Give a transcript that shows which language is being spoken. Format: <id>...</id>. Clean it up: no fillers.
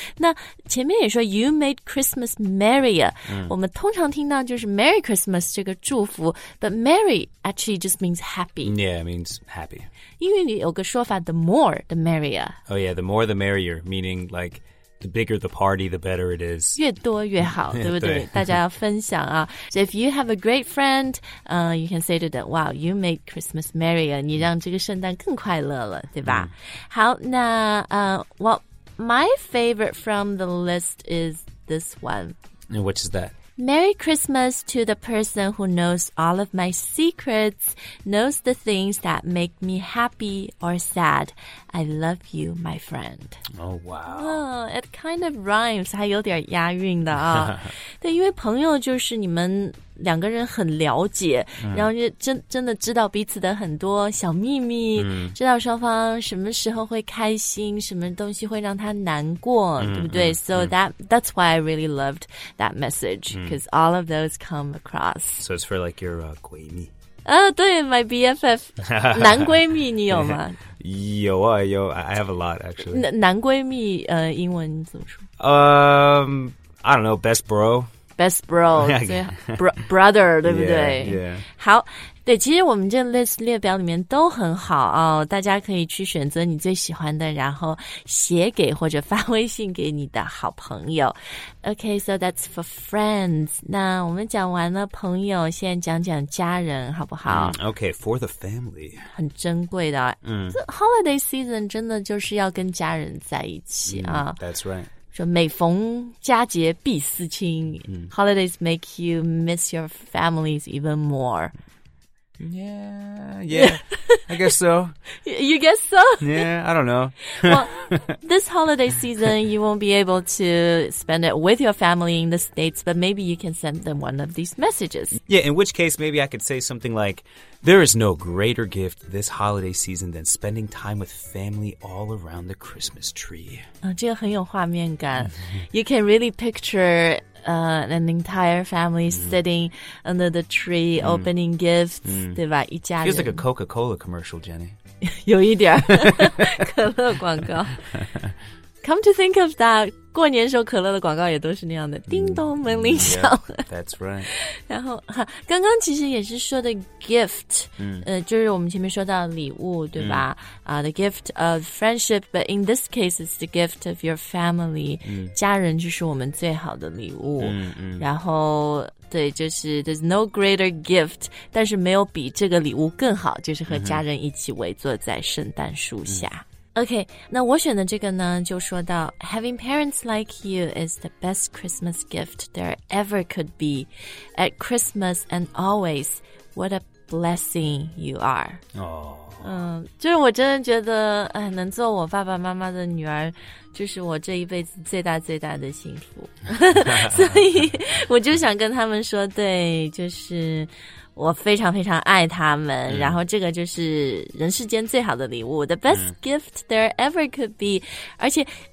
<zh>那前面也说</zh> <en>You made Christmas merrier.</en> <zh>我们通常听到就是</zh> <en>Merry Christmas</en> <zh>这个祝福</zh> <en>But merry actually just means happy. Yeah, it means happy.</en> <zh>因为你有个说法</zh> <en>The more, the merrier. Oh yeah, the more the merrier, meaning likeThe bigger the party, the better it is.</en> <zh>越多越好，对不对？大家要分享啊。</zh> <en>So if you have a great friend, you can say to them, wow, you made Christmas merrier.</en> <zh>你让这个圣诞更快乐了，对吧？好，那</zh> <en>well, my favorite from the list is this one. And which is that? Merry Christmas to the person who knows all of my secrets, knows the things that make me happy or sad. I love you, my friend. Oh, wow. It kind of rhymes,</en> <zh>还有点押韵的啊。对，因为朋友就是你们两个人很了解，然后就真的知道彼此的很多小秘密，知道双方什么时候会开心，什么东西会让他难过，对不对？</zh> <en>So that's why I really loved that message, because all of those come across. So it's for like your 闺蜜。</en> <zh>对 ，</zh> <en>my BFF</en> <zh>男闺蜜，你有吗？有啊，有</zh> <en>，I have a lot actually.</en> <zh>男闺蜜，英文你怎么说？</zh> <en>I don't know, best bro. Best bro, yeah, brother,</en> <zh>对不对</zh> <en>？Yeah.</en> <zh>好，对，其实我们这 list 列表里面都很好啊、哦，大家可以去选择你最喜欢的，然后写给或者发微信给你的好朋友。</zh> <en>Okay, so that's for friends.</en> <zh>那我们讲完了朋友，现在讲讲家人，好不好？</zh> <en>Okay, for the family.</en> <zh>很珍贵的。</zh> <en>Holiday season</en> <zh>真的就是要跟家人在一起啊。</zh> <en>That's right.</en> <zh>说每逢佳节必思亲、</zh> <en>Holidays make you miss your families even more. Yeah, I guess so. You guess so? Yeah, I don't know. Well, this holiday season, you won't be able to spend it with your family in the States, but maybe you can send them one of these messages. Yeah, in which case, maybe I could say something like, there is no greater gift this holiday season than spending time with family all around the Christmas tree.</en> <zh>这个很有画面感.</zh> <en>You can really picture an entire family sitting under the tree opening gifts,</en> <zh>对吧？一家人。</zh> <en>Feels like a Coca-Cola commercial, Jenny.</en> <zh>有一点可乐广告。</zh> <en>Come to think of that,</en> <zh>过年时候可乐的广告也都是那样的，叮咚门铃响。</zh> <en>That's right.</en> <zh>然后刚刚其实也是说的 gift,就是我们前面说到礼物，对吧？</zh> <en>The gift of friendship, but in this case, it's the gift of your family.</en> <zh>家人就是我们最好的礼物。然后对，就是</zh> <en>there's no greater gift,</en> <zh>但是没有比这个礼物更好，就是和家人一起围坐在圣诞树下。</zh> <en>OK,</en> <zh>那我选的这个呢就说到</zh> <en>Having parents like you is the best Christmas gift there ever could be. At Christmas and always, what a blessing you are.</en> <zh>就是我真的觉得能做我爸爸妈妈的女儿就是我这一辈子最大最大的幸福。所以我就想跟他们说对就是我非常非常爱他们然后这个就是人世间最好的礼物</zh> <en>The best gift there ever could be</en> <zh>而且</zh>